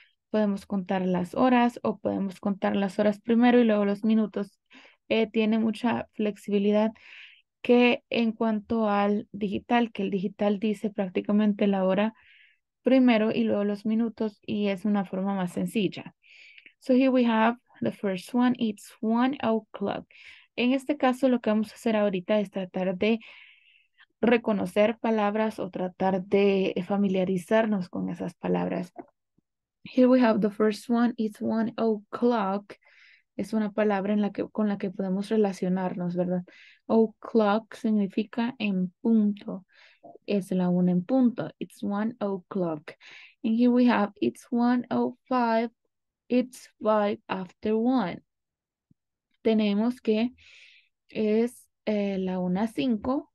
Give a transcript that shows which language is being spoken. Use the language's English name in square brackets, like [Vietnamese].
[Spanish] Podemos contar las horas o podemos contar las horas primero y luego los minutos. Tiene mucha flexibilidad que en cuanto al digital, que el digital dice prácticamente la hora primero y luego los minutos y es una forma más sencilla. [English] So here we have the first one, it's 1 o'clock. [Spanish] En este caso, lo que vamos a hacer ahorita es tratar de reconocer palabras o tratar de familiarizarnos con esas palabras. [English] Here we have the first one, it's 1 o'clock. [Spanish] Es una palabra con la que podemos relacionarnos, ¿verdad? O'clock significa en punto. Es la 1 en punto. [English] It's 1 o'clock. And here we have it's 1 o'5. It's 5 after 1. [Spanish] Tenemos que es la 1:05.